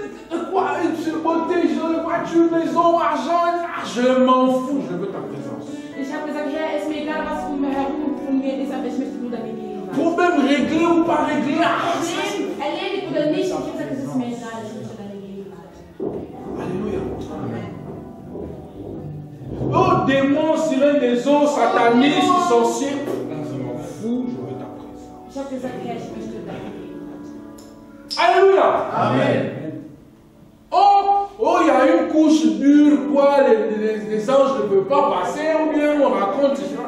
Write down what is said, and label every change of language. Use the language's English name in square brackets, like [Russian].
[French] De quoi, une beauté, une voiture, maison, argent, je m'en fous, je veux ta présence. Problème réglé ou pas réglé, ah, [German] Erledigt oder nicht, ich habe gesagt, es ist mir egal, ich möchte deine Gegenwart. Halleluja. Amen. [French] Oh, démons, sirènes des eaux, satanistes, sorciers, on se m'en fout, je veux ta présence. Alléluia! Amen! Oh, il y a une couche dure, quoi, les anges ne peuvent pas passer, ou bien on raconte.